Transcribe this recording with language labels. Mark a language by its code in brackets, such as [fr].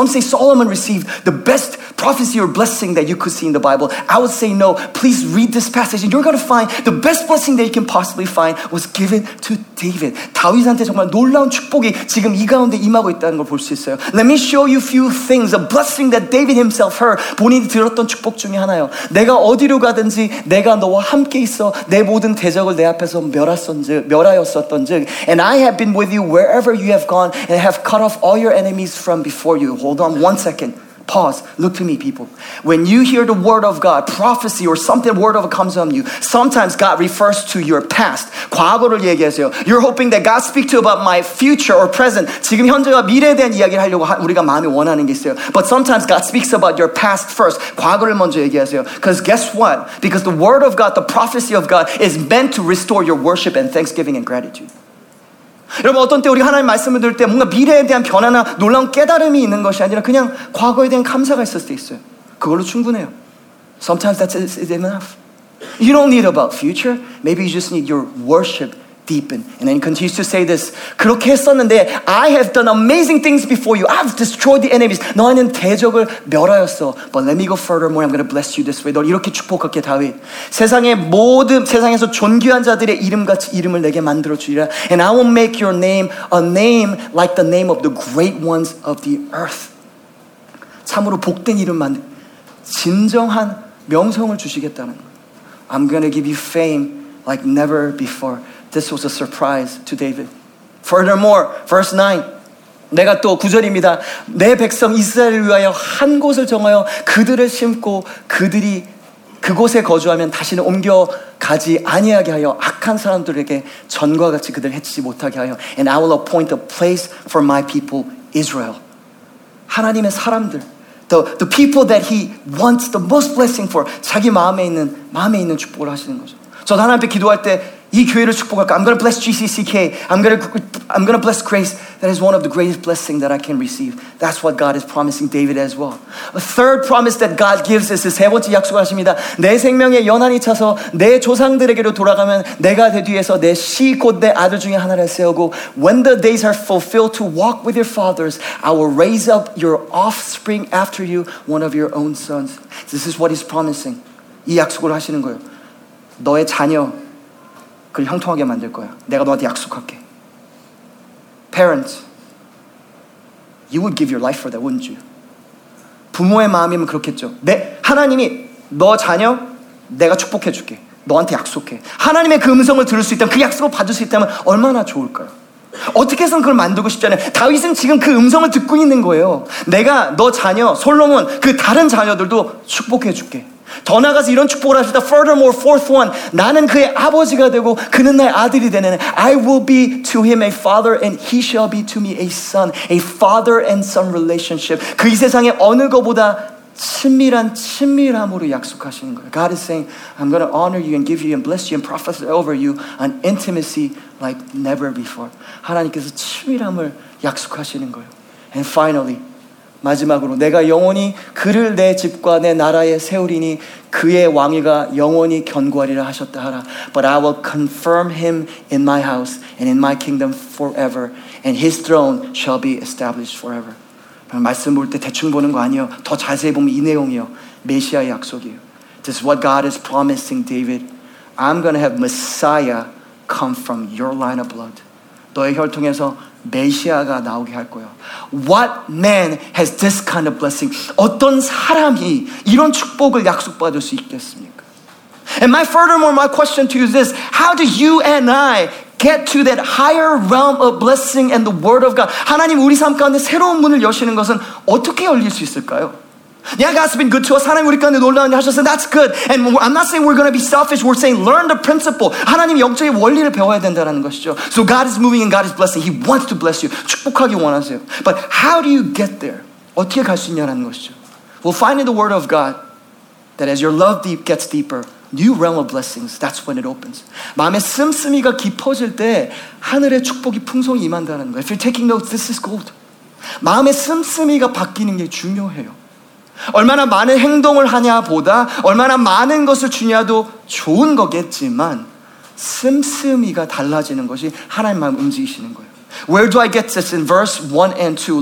[en] Some say Solomon received the best prophecy or blessing that you could see in the Bible. I would say no. Please read this passage and you're going to find the best blessing that you can possibly find was given to David. [ko] 다윗한테 정말 놀라운 축복이 지금 이 가운데 임하고 있다는 걸 볼 수 있어요. [en] Let me show you a few things, a blessing that David himself heard. [ko] 본인이 들었던 축복 중에 하나요. 내가 어디로 가든지 내가 너와 함께 있어 내 모든 대적을 내 앞에서 멸하였었던즉 [en] And I have been with you wherever you have gone and have cut off all your enemies from before you. Hold on one second. Pause. Look to me, people. When you hear the word of God, prophecy or something, word of God comes on you, sometimes God refers to your past. [ko] 과거를 얘기하세요. [en] You're hoping that God speak to you about my future or present. [ko] 지금 현재와 미래에 대한 이야기를 하려고 우리가 마음에 원하는 게 있어요. [en] But sometimes God speaks about your past first. [ko] 과거를 먼저 얘기하세요. [en] Because guess what? Because the word of God, the prophecy of God is meant to restore your worship and thanksgiving and gratitude. [ko] 여러분 어떤 때 우리 하나님 말씀을 들을 때 뭔가 미래에 대한 변화나 놀라운 깨달음이 있는 것이 아니라 그냥 과거에 대한 감사가 있을 때 있어요. 그걸로 충분해요. [en] Sometimes that's enough. You don't need about future. Maybe you just need your worship deepen. And then he continues to say this. [ko] 그렇게 했었는데 [en] I have done amazing things before you. I've destroyed the enemies. [ko] 너희는 대적을 멸하였어. [en] But let me go furthermore. I'm going to bless you this way. [ko] 너 이렇게 축복할게 다윗. 세상의 모든 세상에서 존귀한 자들의 이름같이 이름을 내게 만들어 주리라. [en] And I will make your name a name like the name of the great ones of the earth. [ko] 참으로 복된 이름만 진정한 명성을 주시겠다는 거. [en] I'm going to give you fame like never before. This was a surprise to David. Furthermore, verse 9. [ko] 내가 또 9절입니다. 내 백성 이스라엘을 위하여 한 곳을 정하여 그들을 심고 그들이 그곳에 거주하면 다시는 옮겨가지 아니하게 하여 악한 사람들에게 전과 같이 그들을 해치지 못하게 하여 [en] And I will appoint a place for my people Israel. [ko] 하나님의 사람들 [en] the people that he wants the most blessing for [ko] 자기 마음에 있는 축복을 하시는 거죠. 저도 하나님께 기도할 때 이 교회를 축복할까? [en] I'm going to bless GCCK. I'm going to bless Grace. That is one of the greatest blessings that I can receive. That's what God is promising David as well. A third promise that God gives is [ko] 세 번째 약속을 하십니다. 내 생명에 연한이 차서 내 조상들에게로 돌아가면 내가 내 뒤에서 내 씨 곧 내 아들 중에 하나를 세우고 [en] When the days are fulfilled to walk with your fathers, I will raise up your offspring after you, one of your own sons. This is what he's promising. [ko] 이 약속을 하시는 거예요. 너의 자녀 그걸 형통하게 만들 거야. 내가 너한테 약속할게. [en] Parents, you would give your life for that, wouldn't you? [ko] 부모의 마음이면 그렇겠죠. 내 하나님이 너 자녀 내가 축복해 줄게. 너한테 약속해. 하나님의 그 음성을 들을 수 있다면 그 약속을 받을 수 있다면 얼마나 좋을까요? 어떻게 해서는 그걸 만들고 싶지 않아요. 다윗은 지금 그 음성을 듣고 있는 거예요. 내가 너 자녀 솔로몬 그 다른 자녀들도 축복해 줄게. 더 나아가서 이런 축복을 하시다 [en] furthermore, fourth one [ko] 나는 그의 아버지가 되고 그는 나의 아들이 되는 [en] I will be to him a father and he shall be to me a son a father and son relationship [ko] 그 이 세상에 어느 것보다 친밀한 친밀함으로 약속하시는 거예요 [en] God is saying I'm going to honor you and give you and bless you and prophesy over you an intimacy like never before [ko] 하나님께서 친밀함을 약속하시는 거예요 [en] and finally [ko] 마지막으로 내가 영원히 그를 내 집과 내 나라에 세우리니 그의 왕위가 영원히 견고하리라 하셨다 하라 [en] But I will confirm him in my house and in my kingdom forever and his throne shall be established forever [ko] 말씀 볼 때 대충 보는 거 아니에요 더 자세히 보면 이 내용이요 메시아의 약속이에요 [en] This is what God is promising David I'm going to have Messiah come from your line of blood [ko] 너의 혈통에서 메시아가 나오게 할 거예요. [en] What man has this kind of blessing? [ko] 어떤 사람이 이런 축복을 약속받을 수 있겠습니까? [en] And my furthermore, my question to you is this. How do you and I get to that higher realm of blessing and the word of God? [ko] 하나님 우리 삶 가운데 새로운 문을 여시는 것은 어떻게 열릴 수 있을까요? [en] Yeah, God's been good to us. [ko] 하나님 우리 가운데 놀라운 일 하셨어요. [en] That's good. And I'm not saying we're going to be selfish. We're saying learn the principle. [ko] 하나님 영적인 원리를 배워야 된다는 것이죠. [en] So God is moving and God is blessing. He wants to bless you. [ko] 축복하기 원하세요. [en] But how do you get there? [ko] 어떻게 갈 수 있냐라는 것이죠. [en] We'll find in the word of God that as your love deep gets deeper, new realm of blessings, that's when it opens. [ko] 마음의 씀씀이가 깊어질 때 하늘의 축복이 풍성히 임한다는 거예요. [en] If you're taking notes, this is gold. [ko] 마음의 씀씀이가 바뀌는 게 중요해요. 얼마나 많은 행동을 하냐보다 얼마나 많은 것을 주냐도 좋은 거겠지만 씀씀이가 달라지는 것이 하나님 마음 움직이시는 거예요. [en] Where do I get this in verse 1 and 2?